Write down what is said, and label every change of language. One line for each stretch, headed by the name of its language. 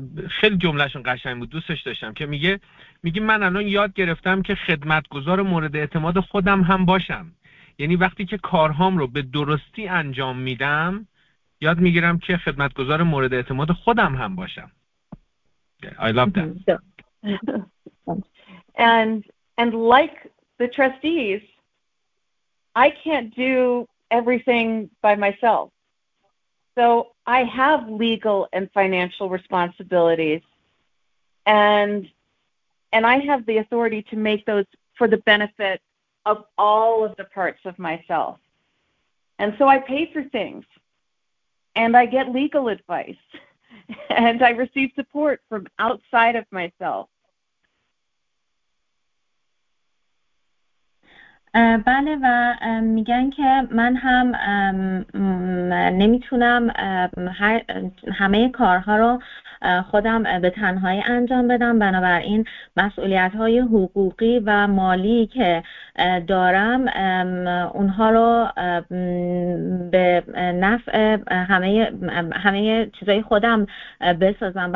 Persian: خیلی جملهشون قشنگ بود، دوستش داشتم، که میگه من الان یاد گرفتم که خدمتگزار مورد اعتماد خودم هم باشم. یعنی وقتی که کارهام رو به درستی انجام میدم، یاد میگیرم که خدمتگزار مورد اعتماد خودم هم باشم.
English: I love that. And like the trustees, I can't do everything by myself. So I have legal and financial responsibilities, and I have the authority to make those for the benefit of all of the parts of myself. And so I pay for things, and I get legal advice, and I receive support from outside of myself.
Persian: بله و میگن که من هم نمیتونم همه کارها رو خودم به تنهایی انجام بدم. بنابراین مسئولیت های حقوقی و مالی که دارم اونها رو به نفع همه چیزای خودم بسازم.